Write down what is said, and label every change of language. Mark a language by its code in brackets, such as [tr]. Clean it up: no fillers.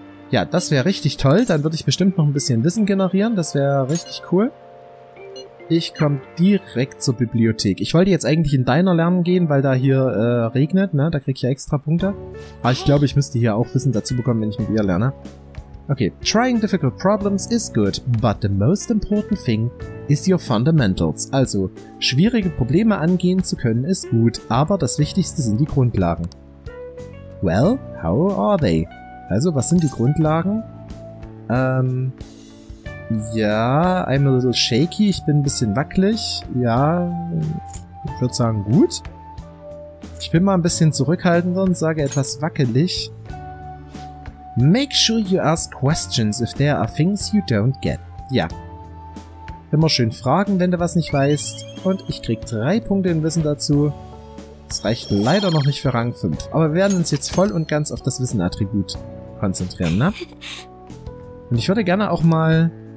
[de] Ja, das wäre richtig toll. Dann würde ich bestimmt noch ein bisschen Wissen generieren. Das wäre richtig cool. Ich komme direkt zur Bibliothek. Ich wollte jetzt eigentlich in deiner lernen gehen, weil da hier regnet. Ne, da kriege ich ja extra Punkte. Aber ich glaube, ich müsste hier auch Wissen dazu bekommen, wenn ich mit ihr lerne. Okay. [en] Trying difficult problems is good, but the most important thing is your fundamentals. [de] Also, schwierige Probleme angehen zu können ist gut, aber das Wichtigste sind die Grundlagen. [en] Well, how are they? [de] Also, was sind die Grundlagen? Ja, [en] I'm a little shaky, [de] ich bin ein bisschen wackelig. Ja, ich würde sagen, gut. Ich bin mal ein bisschen zurückhaltender und sage etwas wackelig. [en] Make sure you ask questions if there are things you don't get. [de] Ja. Immer schön fragen, wenn du was nicht weißt. Und ich krieg 3 Punkte in Wissen dazu. Das reicht leider noch nicht für Rang 5. Aber wir werden uns jetzt voll und ganz auf das Wissen-Attribut konzentrieren, ne? Und ich würde gerne auch mal...